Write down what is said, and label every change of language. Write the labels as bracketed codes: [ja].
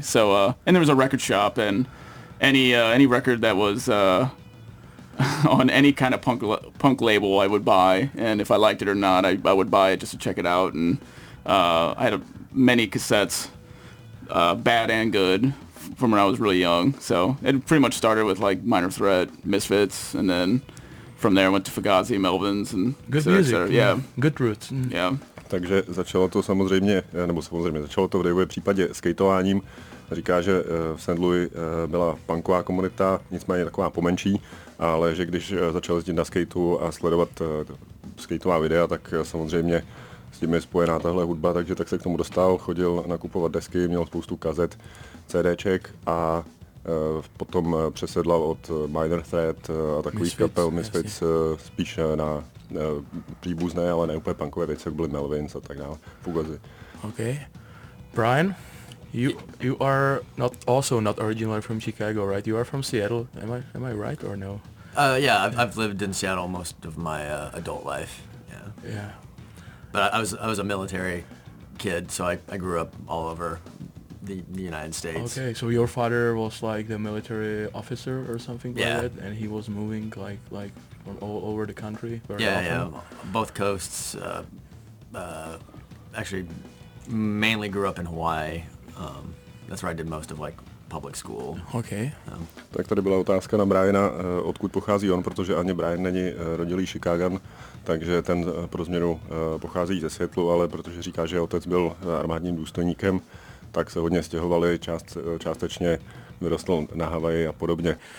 [en] So and there was a record shop, and any record that was on any kind of punk label I would buy, and if I liked it or not, I would buy it just to check it out. And I had many cassettes, bad and good, from when I was really young. So it pretty much started with like Minor Threat, Misfits, and then from there I went to Fugazi, Melvins, and good cetera, music, cetera. Yeah, good roots. Yeah. [cs] Takže začalo to samozřejmě začalo to v Davově případě skateováním. Říká, že v St. Louis byla punková komunita, nicméně taková pomenší, ale že když začal jezdit na skateu a sledovat skateová videa, tak samozřejmě s tím je spojená tahle hudba, takže tak se k tomu dostal, chodil nakupovat desky, měl spoustu kazet, CDček a potom přesedlal od Minor Threat a takových kapel Misfits spíš na příbuzné, ale ne úplně punkové věci, jak byly Melvins a tak dále, Fugazi. [en] OK. Brian, you are not also not originally from Chicago, right? You are from Seattle. Am I right or no? Yeah, I've lived in Seattle most of my adult life. Yeah. But I was a military kid, so I grew up all over the United States. Okay, so your father was like the military officer or something like that, and he was moving like all over the country. Both coasts. Actually, mainly grew up in Hawaii. That's where I did most of like public school. Okay. [cs] Tak tady byla otázka na Briana, odkud pochází on, protože ani Brian není rodilý Chicagan, takže ten pro změnu pochází ze Seattlu, ale protože říká, že otec byl armádním důstojníkem, tak se hodně stěhovali, částečně vyrostl na Havaji a podobně.